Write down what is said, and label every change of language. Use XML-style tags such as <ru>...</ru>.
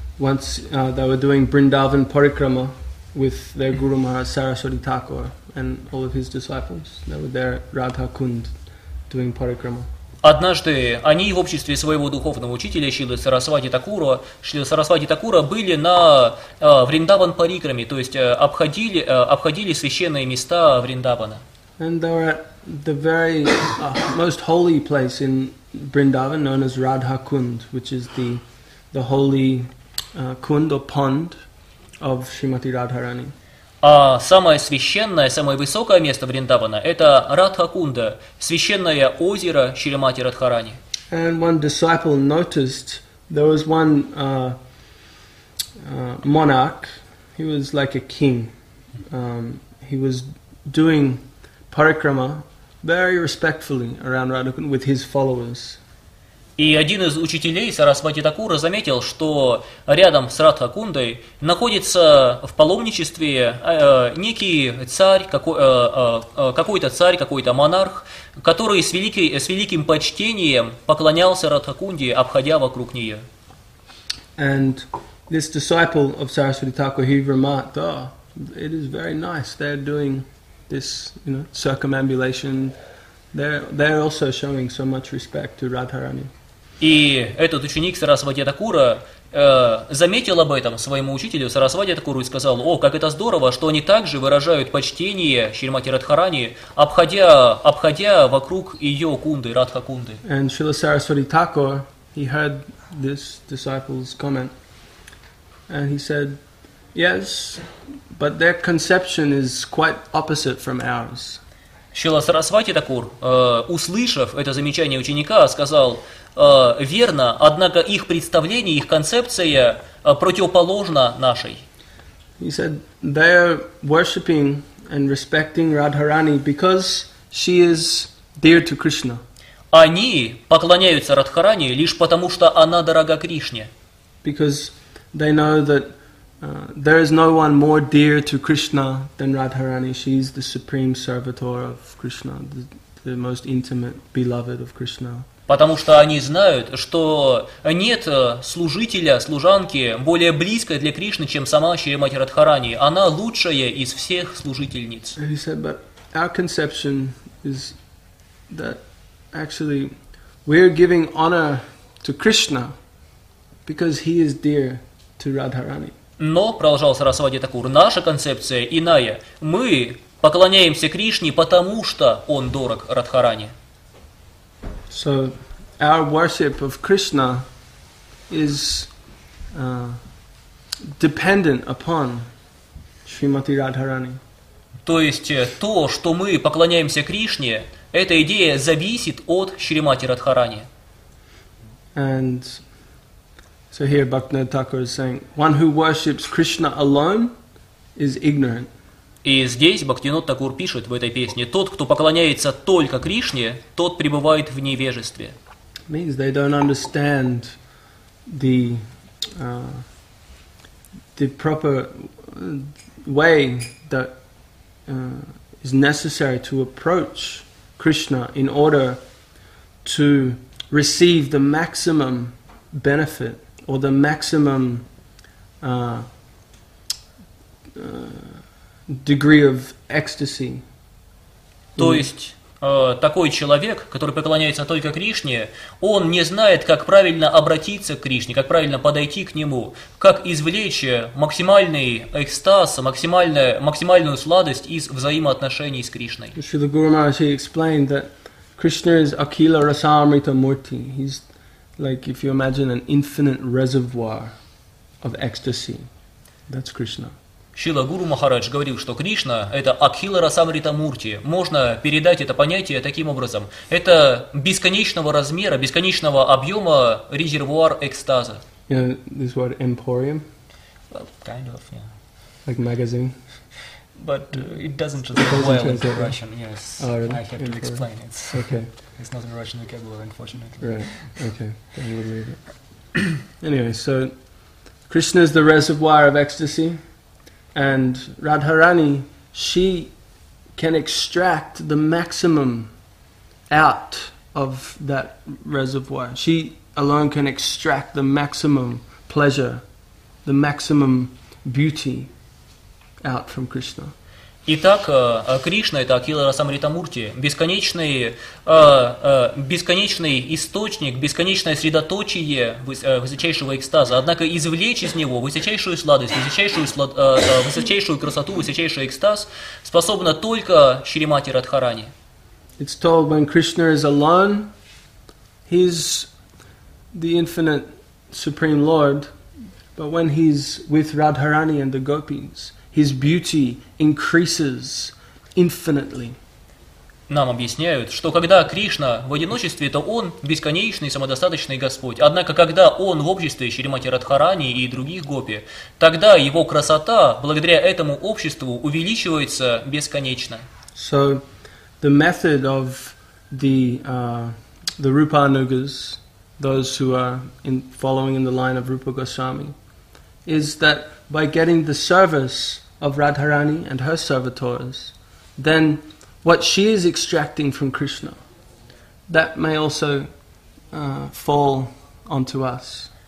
<en>Once they were doing Brindavan Parikrama with their Guru Maharaj Saraswati Thakur and all of his disciples. They were there at Radha Kund doing Parikrama.</en> <ru>Однажды они в обществе своего духовного учителя Шрилы Сарасвати Такура были на Вриндаван Парикраме, то есть обходили священные места Вриндавана.</ru> <en>And they were at the very most holy place in Vrindavan, known as Radha Kund, which is the holy kund or pond of Shrimati Radharani.</en> <ru>А самое священное, самое высокое место Вриндавана – это Радха Кунда, священное озеро Шримати Радхарани.</ru> <en>And one disciple noticed there was one monarch. He was like a king. He was doing parikrama very respectfully around Radha Kunda with his followers.</en> <ru>И один из учителей Сарасвати Такура заметил, что рядом с Радха Кундой находится в паломничестве некий царь, какой-то царь, какой-то монарх, который с великим почтением поклонялся Радха Кунде, обходя вокруг нее.</ru> <en>And this disciple of Sarasvati Thakur, he remarked, oh, it is very nice, they're doing this, you know, circumambulation, they're also showing so much respect to Radharani.</en> <ru>И этот ученик Сарасвати Такура заметил об этом своему учителю Сарасвати Такуру и сказал: «О, как это здорово, что они также выражают почтение Шримати Радхарани, обходя вокруг ее кунды, Радха Кунды».</ru> <en>And Srila Sarasvati Thakur, he heard this disciple's comment, and he said, "Yes, but their conception is quite opposite from ours."</en> <ru>Шрила Сарасвати Такур, услышав это замечание ученика, сказал: верно, однако их представление, их концепция противоположна нашей.</ru> <en>He said they are worshipping and respecting Radharani because she is dear to Krishna.</en> <ru>Они поклоняются Радхарани лишь потому, что она дорога Кришне.</ru> <en>Because they know that there is no one more dear to Krishna than Radharani. She is the supreme servitor of Krishna, the most intimate beloved of Krishna.</en> <ru>Потому что они знают, что нет служителя, служанки, более близкой для Кришны, чем сама Шримати Радхарани. Она лучшая из всех служительниц.</ru> <en>And he said, but our conception is that actually we are giving honor to Krishna because he is dear to Radharani.</en> <ru>Но, продолжал Сарасвати Такур, наша концепция иная. Мы поклоняемся Кришне, потому что он дорог Радхарани.</ru> <en>So our worship of Krishna is dependent upon Shrimati Radharani.</en> <ru>То есть то, что мы поклоняемся Кришне, эта идея зависит от Шримати Радхарани.</ru> <en>And so here Bhaktivinoda Thakur is saying, one who worships Krishna alone is ignorant.</en> <ru>И здесь Бхактивинода Такур пишет в этой песне: «Тот, кто поклоняется только Кришне, тот пребывает в невежестве».</ru> <en>Means they don't understand the proper way that is necessary to approach Krishna in order to receive the maximum benefit or the maximum degree of ecstasy.</en> <ru>То есть такой человек, который поклоняется только Кришне, он не знает, как правильно обратиться к Кришне, как правильно подойти к нему, как извлечь максимальный экстаз, максимальную сладость из взаимоотношений с Кришной.</ru> <en>Шрила Гуру Махарадж explained that Krishna is Akila Rasamrita Murti. He's like, if you imagine, an infinite reservoir of ecstasy. That's Krishna.</en> <ru>Шрила Гуру Махарадж говорил, что Кришна – это Акхила Расамрита Мурти. Можно передать это понятие таким образом. Это бесконечного размера, бесконечного объема резервуар экстаза.</ru> <en>You know this word emporium? Well, kind of, yeah. Like magazine? But it doesn't translate well into Russian, yes. Oh, really? I have emporium. To explain it. Okay. It's not in Russian vocabulary, unfortunately. Right, okay. Then you would read it. Anyway, so Krishna is the reservoir of ecstasy. And Radharani, she can extract the maximum out of that reservoir. She alone can extract the maximum pleasure, the maximum beauty out from Krishna.</en> <ru>Итак, Кришна – это Акхила Расамрита Мурти, бесконечный, бесконечный источник, бесконечное средоточие высочайшего экстаза. Однако извлечь из него высочайшую сладость, высочайшую красоту, высочайший экстаз способна только Шримати Радхарани.</ru> <en>It's told when Krishna is alone, he's the infinite supreme lord, but when he's with Radharani and the gopis, his beauty increases infinitely.</en> <ru>Нам объясняют, что когда Кришна в одиночестве, то он бесконечный, самодостаточный Господь. Однако, когда он в обществе Шримати Радхарани и других гопи, тогда его красота, благодаря этому обществу, увеличивается бесконечно.</ru> <en>So, the method of the Rupanugas, those who are in following in the line of Rupa Goswami, is that by getting the service of Radharani and her servitors, then what she is extracting from Krishna, that may also fall onto us.</en>